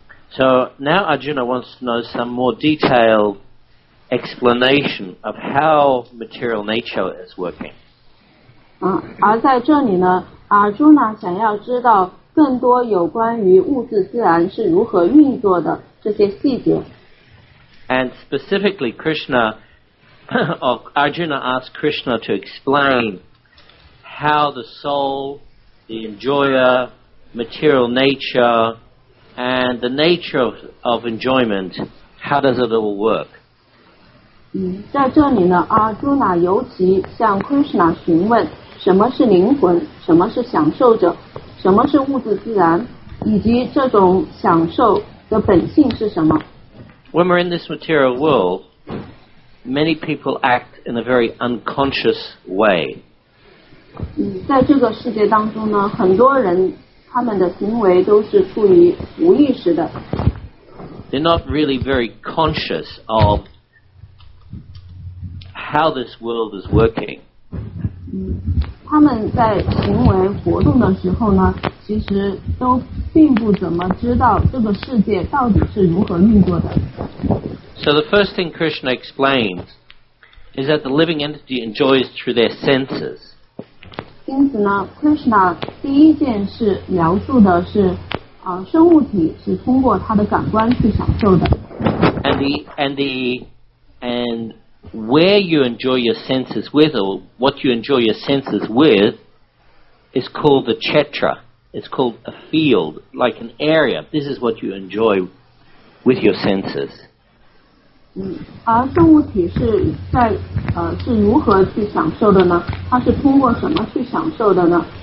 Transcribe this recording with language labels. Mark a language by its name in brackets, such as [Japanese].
[English] So now Arjuna wants to know some more detailed explanation of how material nature is working. [Chinese] 而在这里呢，阿朱呢想要知道更多有关于物质自然是如何运作的这些细节。 [English] And specifically, Krishna, or Arjuna asked Krishna to explain how the soul, the enjoyer, material nature, and the nature of enjoyment, how does it all work? [Chinese] 在这里呢，阿朱那尤其向 Krishna 询问什么是灵魂，什么是享受者，什么是物质自然，以及这种享受的本性是什么。 [English] When we're in this material world, many people act in a very unconscious way. [Chinese] 在这个世界当中呢，很多人他们的行为都是处于无意识的。 [English] They're not really very conscious of how this world is working. [Chinese] 他们在行为活动的时候呢，其实都并不怎么知道这个世界到底是如何运作的。 [English] So the first thing Krishna explains is that the living entity enjoys through their senses. [Chinese] 因此呢， Krishna 第一件事描述的是生物体是通过它的感官去享受的。 [English] And where you enjoy your senses with, or what you enjoy your senses with, is called the chetra. It's called a field, like an area. This is what you enjoy with your senses. [Chinese] 而生物体是在是如何去享受的呢？它是通过什么去享受的呢？